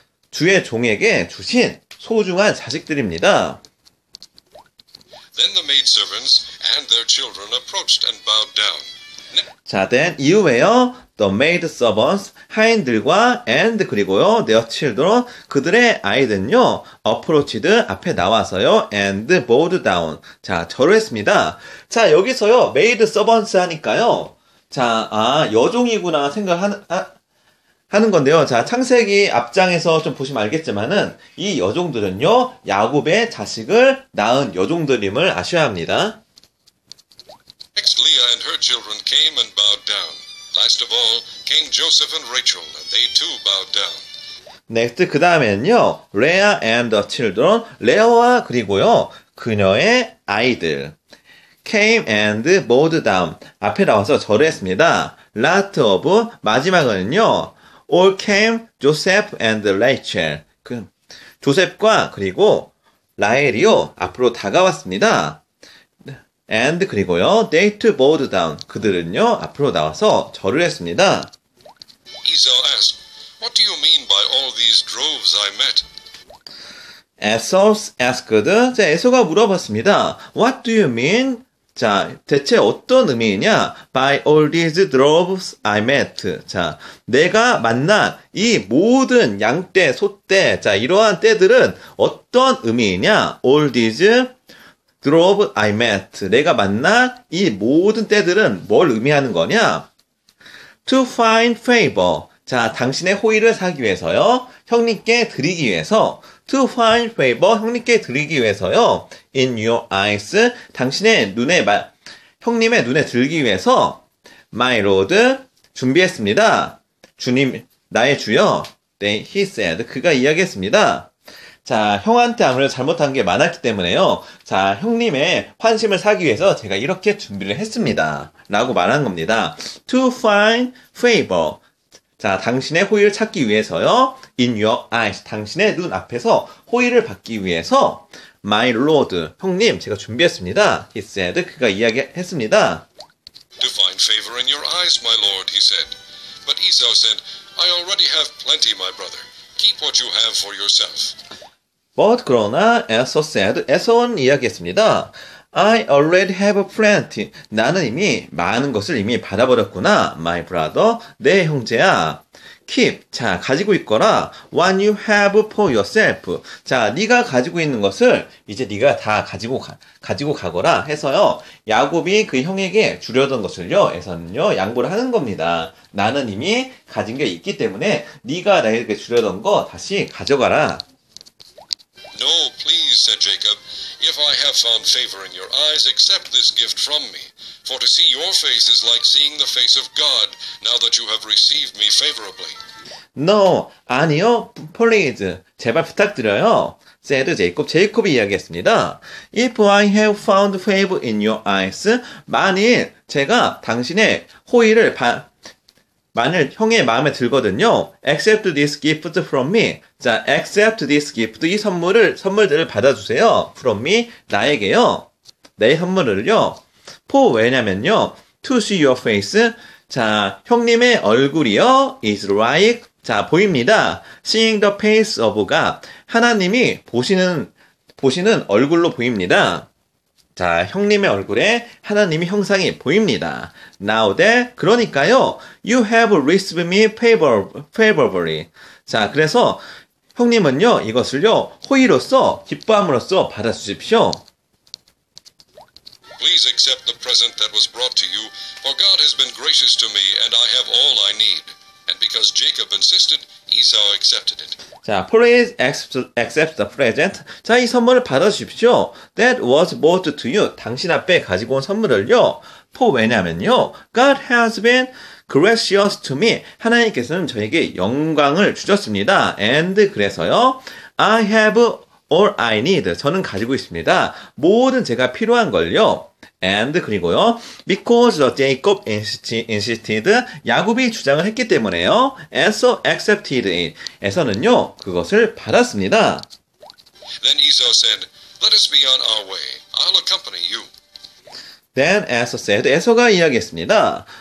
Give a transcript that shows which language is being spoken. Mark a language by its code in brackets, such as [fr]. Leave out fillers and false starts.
[ko] 주의 종에게 주신 소중한 자식들입니다. [en] Then the maidservants and their children approached and bowed down. [ko] 자, [en] then [ko] 이후에요. [en] The maid servants, [ko] 하인들과 [en] and [ko] 그리고요. [en] their children, [ko] 그들의 아이들은요. [en] approached [ko] 앞에 나와서요. [en] and bowed down. [ko] 자, 절했습니다. 자, 여기서요. [en] maid servants 하니까요. [ko] 자, 아, 여종이구나 하는 건데요. 자, 창세기 앞장에서 좀 보시면 알겠지만은 이 여종들은요. 야곱의 자식을 낳은 여종들임을 아셔야 합니다. [en] Next, Leah and her children came and bowed down. Last of all, came Joseph and Rachel, and they too bowed down. Next, [ko] 그 다음에는요, [en] Leah and the children, [ko] 레아와 그리고요, 그녀의 아이들. [en] Came and bowed down. [ko] 앞에 나와서 절했습니다. [en] Last of, [ko] 마지막은요, [en] all came Joseph and Rachel. [ko] 조셉과 그리고 라헬이요, 앞으로 다가왔습니다. [en] And [ko] 그리고요, [en] they too bowed down. [ko] 그들은요, 앞으로 나와서 절을 했습니다. [en] Esau asked, What do you mean by all these droves I met? Esau asked. [ko] 자, 에서가 물어봤습니다. [en] What do you mean? [ko] 자, 대체 어떤 의미이냐? [en] By all these droves I met. [ko] 자, 내가 만난 이 모든 양떼, 소떼, 자, 이러한 떼들은 어떤 의미이냐? [en] All these Drove I met. [ko] 내가 만난 이 모든 떼들은 뭘 의미하는 거냐? [en] To find favor. [ko] 자, 당신의 호의를 사기 위해서요. 형님께 드리기 위해서. [en] To find favor. [ko] 형님께 드리기 위해서요. [en] In your eyes. [ko] 당신의 눈에, 형님의 눈에 들기 위해서. [en] My Lord. [ko] 준비했습니다. 주님, 나의 주요. [en] Then he said. [ko] 그가 이야기했습니다. 자, 형한테 아무래도 잘못한 게 많았기 때문에요. 자, 형님의 환심을 사기 위해서 제가 이렇게 준비를 했습니다. 라고 말한 겁니다. [en] To find favor. [ko] 자, 당신의 호의를 찾기 위해서요. [en] In your eyes. [ko] 당신의 눈 앞에서 호의를 받기 위해서. [en] My Lord. [ko] 형님, 제가 준비했습니다. [en] He said. [ko] 그가 이야기했습니다. [en] To find favor in your eyes, my lord, he said. But Esau said, I already have plenty, my brother. Keep what you have for yourself. But, [ko] 그러나, [en] Esau said, [ko] Esau는 이야기했습니다. [en] I already have plenty. [ko] 나는 이미 많은 것을 이미 받아버렸구나. [en] My brother, [ko] 내 형제야. Keep. 자, 가지고 있거라. [en] What you have for yourself. [ko] 자, 네가 가지고 있는 것을 이제 네가 다 가지고 가거라. 해서요. 야곱이 그 형에게 주려던 것을요. 에서는요. 양보를 하는 겁니다. 나는 이미 가진 게 있기 때문에 네가 나에게 주려던 거 다시 가져가라. [en] No, please, said Jacob. If I have found favor in your eyes, accept this gift from me. For to see your face is like seeing the face of God, now that you have received me favorably. No, 아니요, please. [ko] 제발 부탁드려요. [en] Said Jacob. [ko] 제이콥이 이야기했습니다. [en] If I have found favor in your eyes, [ko] 만일 제가 당신의 호의를 만일 형의 마음에 들거든요. [en] Accept this gift from me. [ko] 자, [en] accept this gift. [ko] 이 선물을, 선물들을 받아주세요. [en] From me, [ko] 나에게요. 내 현물을요. 포 왜냐면요. [en] To see your face. [ko] 자, 형님의 얼굴이요. [en] Is right. [ko] 자, 보입니다. [en] Seeing the face of God. [ko] 하나님이 보시는 얼굴로 보입니다. 자, 형님의 얼굴에 하나님의 형상이 보입니다. [en] Now that, [ko] 그러니까요. [en] You have received me favorably. [ko] 자, 그래서 형님은요. 이것을요. 호의로써, 기뻐함으로써 받아주십시오. [en] Please accept the present that was brought to you, for God has been gracious to me, and I have all I need. And because Jacob insisted, Esau accepted it. 자, please accept the present. [ko] 자, 이 선물을 받아주십시오. [en] That was brought to you. [ko] 당신 앞에 가지고 온 선물을요. [en] For [ko] 왜냐면요. [en] God has been gracious to me. [ko] 하나님께서는 저에게 영광을 주셨습니다. [en] And [ko] 그래서요. [en] I have all I need. [ko] 저는 가지고 있습니다. 모든 제가 필요한 걸요. [en] And [ko] 그리고요. [en] Because the Jacob insisted, [ko] 야곱이 주장을 했기 때문에요. [en] And so accepted it. [ko] 에서는요. 그것을 받았습니다. [en] Then Esau said, let us be on our way. I'll accompany you. Then Esau said, [ko] 에서가 이야기했습니다.